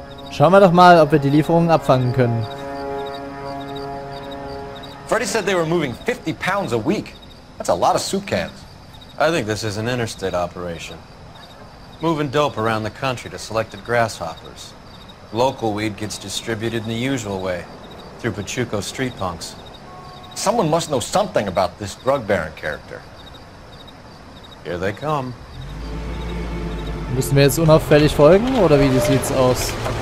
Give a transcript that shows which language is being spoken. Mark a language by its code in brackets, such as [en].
[de] Schauen wir doch mal, ob wir die Lieferungen abfangen können. [en] Freddy said they were moving 50 pounds a week. That's a lot of soup cans. I think this is an interstate operation. Moving dope around the country to selected grasshoppers. Local weed gets distributed in the usual way, through Pachuco street punks. Someone must know something about this drug baron character. Here they come. [de] Müssen wir jetzt unauffällig folgen, oder wie sieht's aus?